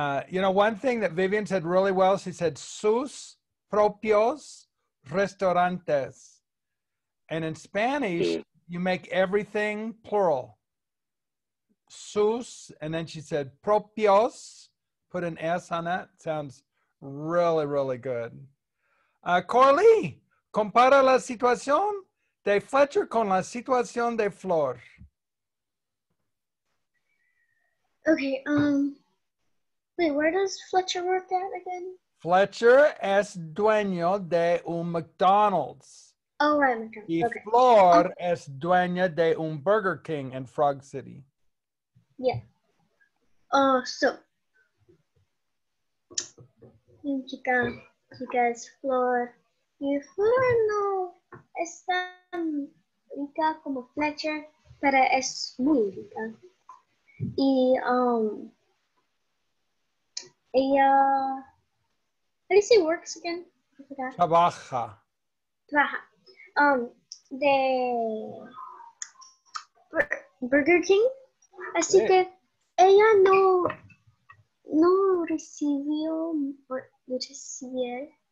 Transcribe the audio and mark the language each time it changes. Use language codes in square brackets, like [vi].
[en] You know, one thing that Vivian said really well, she said [es] sus propios restaurantes. [en] And in Spanish, you make everything plural. Sus, and then she said propios, put an S on that. Sounds really, really good. [es] Coralie, compara la situación de Fletcher con la situación de Flor. [en] Okay, wait, where does Fletcher work at again? [es] Fletcher es dueño de un McDonald's. [en] Oh, right, McDonald's. [es] Y [en] okay. [es] Flor es dueña de un Burger King [en] in Frog City. Yeah. [es] So, chicas, Flor, y Flor no es tan rica como Fletcher, pero es muy rica. Y ella, [en] how do you say works again? [es] Trabaja. Trabaja. De Burger King. Así que ella no recibió, recibió.